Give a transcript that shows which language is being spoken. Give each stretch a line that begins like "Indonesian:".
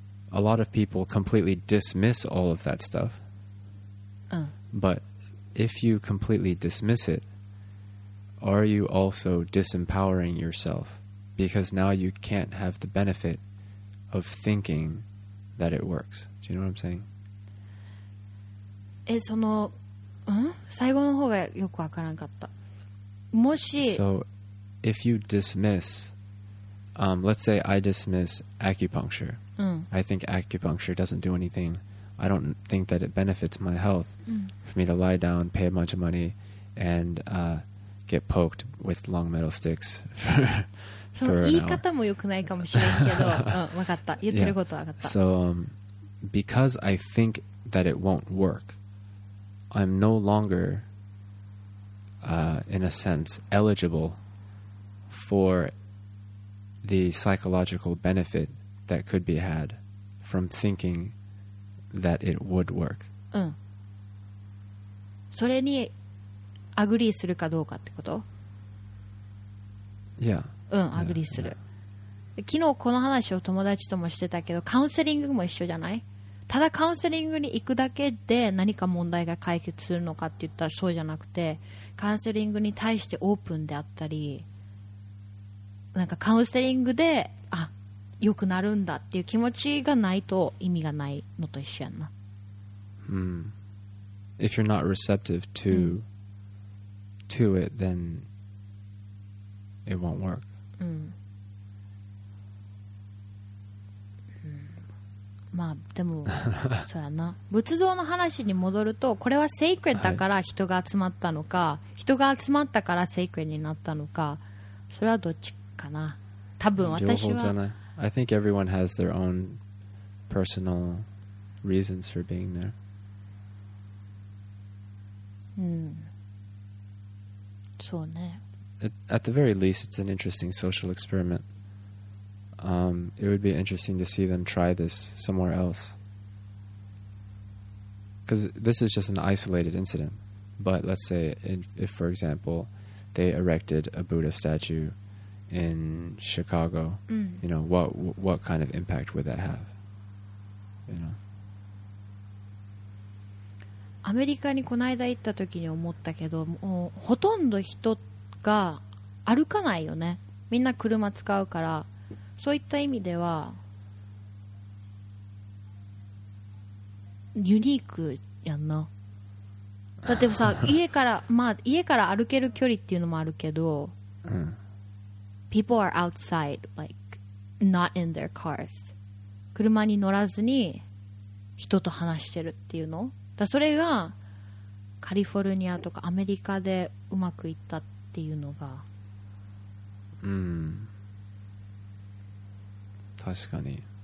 English: A lot of people completely dismiss all of that stuff. But if you completely dismiss it, are you also disempowering yourself? Because now you can't have the benefit of thinking that it works. Do you know what I'm saying?
Japanese: その、最後の方がよくわからんかった。もし、
English: So if you dismissLet's say I dismiss acupuncture. I think acupuncture doesn't do anything. I don't think that it benefits my health for me to lie down, pay a bunch of money, and get poked with long metal sticks for an hour.
Japanese: その言い方も良くないかもしれんけど、うん、分かった。言ってることは分かった。
English: So, because I think that it won't work, I'm no longer, in a sense, eligible for... the psychological benefit that could be had from thinking that it would work.
Japanese: それにアグリーするかどうかってこと?
English: Yeah.
Japanese: アグリーする。 昨日この話を友達ともしてたけど、カウンセリングも一緒じゃない? ただカウンセリングに行くだけで何か問題が解決するのかって言ったらそうじゃなくて、カウンセリングに対してオープンであったり、なんかカウンセリングで良くなるんだっていう気持ちがないと意味がないのと一緒やんな。 Hmm.
English: If you're not receptive to,、うん、to it, then it won't work.、
Japanese: うんまあでもそうやな。仏像の話に戻ると、これはセイクレだから人が集まったのか、はい、人が集まったからセイクレになったのか、それはどっちかな。多分私は情報じゃない。
English: I think everyone has their own personal reasons for being there.
Japanese: うん。そうね。
English: At the very least, it's an interesting social experiment. It would be interesting to see them try this somewhere else. Because this is just an isolated incident. But let's say if, for example, they erected a Buddha statue in Chicago,、 mm. you know, what kind of impact would that have? You know?
Japanese: アメリカにこの間行った時に思ったけど、もうほとんど人が歩かないよね。みんな車使うから。そういった意味ではユニークやんな。だってさ家から、まあ、家から歩ける距離っていうのもあるけど、うん、
English: People are outside like not in their cars.
Japanese: 車に乗らずに人と話してるっていうの。だそれがカリフォルニアとかアメリカでうまくいったっていうのが、うん、確かに、